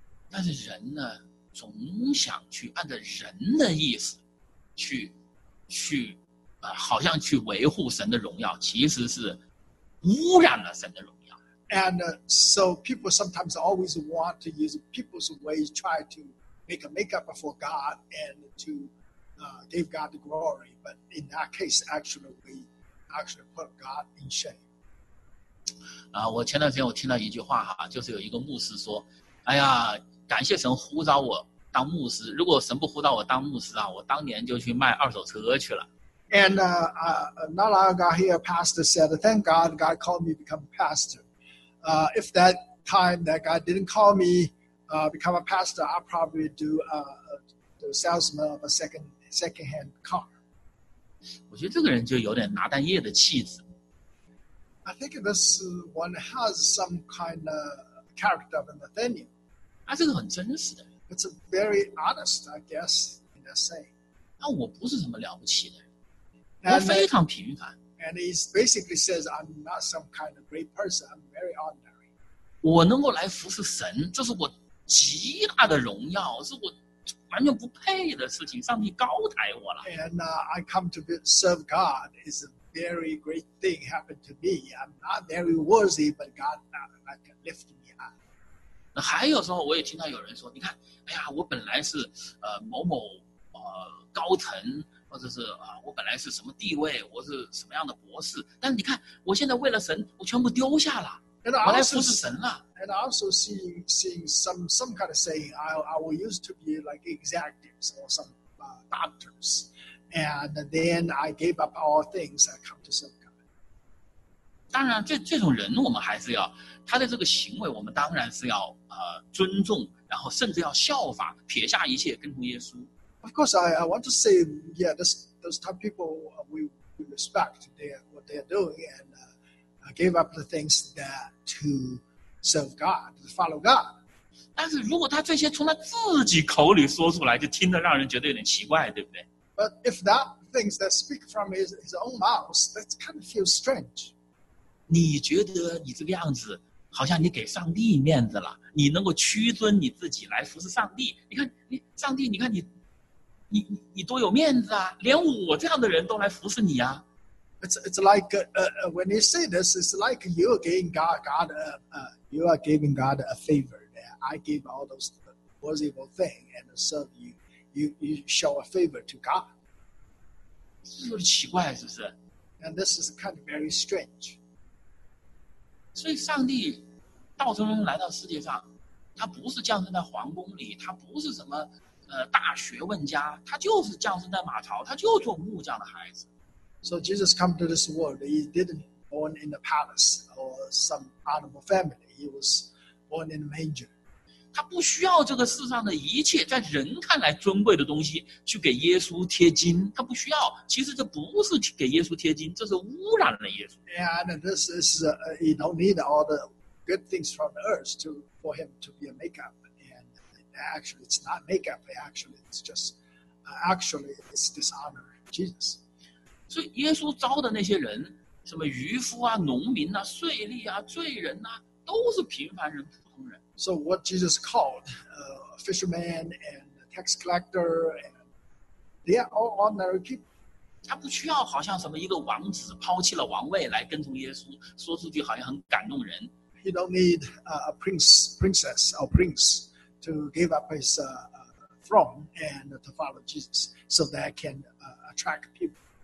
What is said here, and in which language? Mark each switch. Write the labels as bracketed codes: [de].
[zh] 但是人呢？总想去按照人的意思去好像去维护神的荣耀，其实是污染了神的荣耀。 [en] And so people sometimes always want to use people's ways try to make a makeup for God and to give God the glory. But in that case, actually, we actually put God in shame. [zh] 啊，我前段时间我听到一句话哈，就是有一个牧师说，哎呀。感谢神呼召我当牧师。如果神不呼召我当牧师啊，我当年就去卖二手车去了。 [en] And not long ago, here pastor said, "Thank God, God called me to become a pastor. If that time that God didn't call me become a pastor, I'll probably do the salesman of a secondhand car." [zh] 我觉得这个人就有点拿但业的气质。 [en] I think this one has some kind of character of Nathaniel. [zh] 啊，这个很真实的。 [en] It's a very honest, I guess, in that saying. [zh] 那我不是什么了不起的人，我非常平凡。 [en] And he basically says, "I'm not some kind of great person. I'm very ordinary." [zh] 我能够来服侍神，这是我极大的荣耀，是我完全不配的事情。上帝高抬我了。 [en] And I come to serve God is a very great thing happened to me. I'm not very worthy, but God like lift me. [zh] 那还有时候，我也听到有人说：“你看，哎呀，我本来是某某高层，或者是啊，我本来是什么地位，我是什么样的博士，但是你看，我现在为了神，我全部丢下了，我来服侍神了。 [en] And also seeing some kind of saying, I will used to be like executives or some doctors, and then I gave up all things and come to serve God. [zh] 当然，这种人我们还是要，他的这个行为我们当然是要尊重，然后甚至要效法，撇下一切跟从耶稣。 [en] Of course, I want to say, yeah, those type of people, we respect what they are doing and gave up the things that to serve God, to follow God. [zh] 但是如果他这些从他自己口里说出来，就听得让人觉得有点奇怪，对不对？ [en] But if that things that speak from his own mouth, that kind of feels strange. [zh] 你觉得你这个样子，好像你给上帝面子了，你能够屈尊你自己来服侍上帝？你看，你上帝，你看你。你多有面子啊！连我这样的人都来服侍你啊 [en] ！It's like when you say this, it's like you are giving God you are giving God a favor. That I give all those possible thing and serve you. You show a favor to God. [zh] 这有点奇怪，是不是 [en] ？And this is kind of very strange. [zh] 所以，上帝道成人来到世界上，他不是降生在皇宫里，他不是什么。大学问家，他就是降生在马槽，他就做木匠的孩子。 [en] So Jesus came to this world. He didn't born in a palace or some animal family. He was born in a manger. [zh] 他不需要这个世上的一切，在人看来尊贵的东西去给耶稣贴金，他不需要。其实这不是给耶稣贴金，这是污染了耶稣。 [en] And this is he don't need all the good things from the earth to for him to be a makeup. Actually, it's not makeup. Actually, it's just, it's dishonor Jesus. [zh] 所以耶稣招的那些人，什么渔夫啊、农民啊、税吏啊、罪人啊，都是平凡人、普通人。 [en] So what Jesus called, fishermen and tax collector, and they are all ordinary people. [zh] 他不需要好像什么一个王子抛弃了王位来跟从耶稣，说出去好像很感动人。 [en] He don't need a princess or prince. To give up his throne and to follow Jesus, so that can attract people.